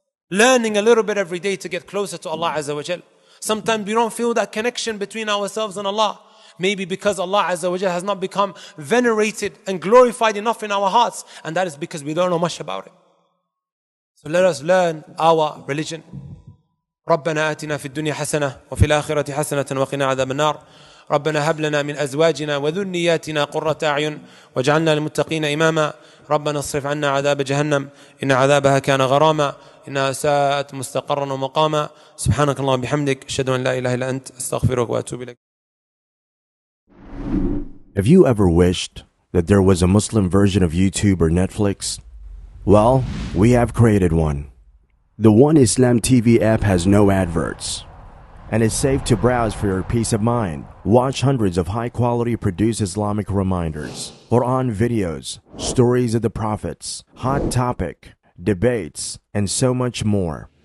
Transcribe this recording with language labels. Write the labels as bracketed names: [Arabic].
[English] Learning a little bit every day to get closer to Allah Azza wa Jal. Sometimes we don't feel that connection between ourselves and Allah. Maybe because Allah Azza wa Jal has not become venerated and glorified enough in our hearts. And that is because we don't know much about it. So let us learn our religion. [Arabic] ربنا آتنا في الدنيا حسنة وفي الآخرة حسنة وقنا عذاب النار. ربنا هب لنا من أزواجنا وذرياتنا قرة أعين واجعلنا للمتقين إماما. ربنا اصرف عنا عذاب جهنم إن عذابها كان غراما إنها ساءت مستقرا ومقاما. سبحانك اللهم وبحمدك, أشهد أن لا إله إلا أنت, أستغفرك وأتوب إليك. [English] If you ever wished that there was a Muslim version of YouTube or Netflix, well, we have created one. The One Islam TV app has no adverts and is safe to browse for your peace of mind. Watch hundreds of high-quality produced Islamic reminders, Quran videos, stories of the prophets, hot topic, debates, and so much more.